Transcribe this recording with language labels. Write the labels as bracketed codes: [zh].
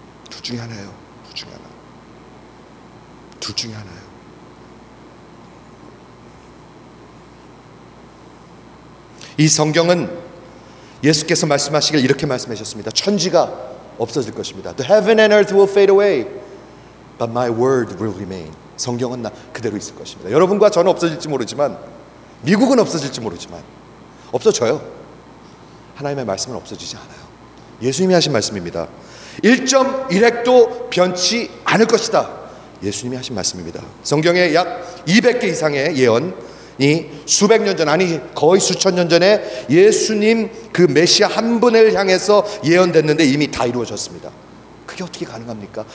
[ko] 둘 중에 하나예요. 둘 중에 하나. 둘 중에 하나예요. 이 성경은 예수께서 말씀하시길 이렇게 말씀하셨습니다. 천지가 없어질 것입니다. [en] The heaven and earth will fade away, but my word will remain. [ko] 성경은 나 그대로 있을 것입니다. 여러분과 저는 없어질지 모르지만, 미국은 없어질지 모르지만, 없어져요. 하나님의 말씀은 없어지지 않아요. 예수님이 하신 말씀입니다. 1.1핵도 변치 않을 것이다. 예수님이 하신 말씀입니다. 성경에 약 200개 이상의 예언, 이 수백 년 전, 아니 거의 수천 년 전에 예수님 그 메시아 한 분을 향해서 예언됐는데 이미 다 이루어졌습니다. 그게 어떻게 가능합니까?